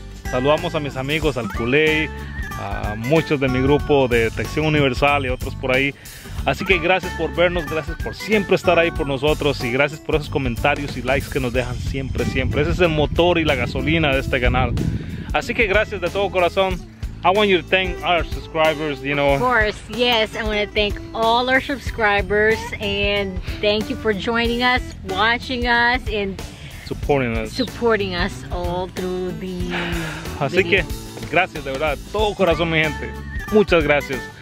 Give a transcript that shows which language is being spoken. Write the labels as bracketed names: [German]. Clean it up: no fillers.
[Spanish] Saludamos a mis amigos, al Kulei, a muchos de mi grupo de Detección Universal y otros por ahí. Así que gracias por vernos, gracias por siempre estar ahí por nosotros y gracias por esos comentarios y likes que nos dejan siempre, siempre. Ese es el motor y la gasolina de este canal. Así que gracias de todo corazón. [English] I want you to thank our subscribers, you know. Of course, yes. I want to thank all our subscribers and thank you for joining us, watching us and supporting us all through the [Spanish] así video. Que gracias de verdad, todo corazón, mi gente, muchas gracias.